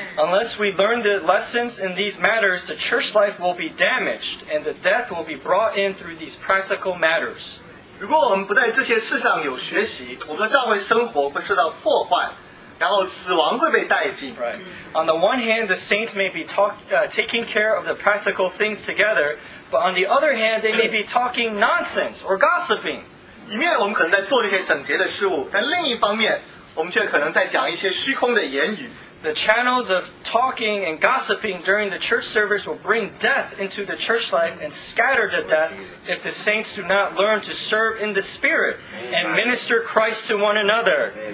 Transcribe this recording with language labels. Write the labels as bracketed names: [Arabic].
[English] Unless we learn the lessons in these matters, the church life will be damaged, and the death will be brought in through these practical matters. [Chinese] 如果我们不在这些事上有学习，我们的教会生活会受到破坏。 [English] Right. On the one hand, the saints may be taking care of the practical things together, but on the other hand, they may be talking nonsense or gossiping. [Chinese] 一面我们可能在做这些整洁的事物，但另一方面，我们却可能在讲一些虚空的言语。 [English] The channels of talking and gossiping during the church service will bring death into the church life and scatter the death if the saints do not learn to serve in the Spirit and minister Christ to one another.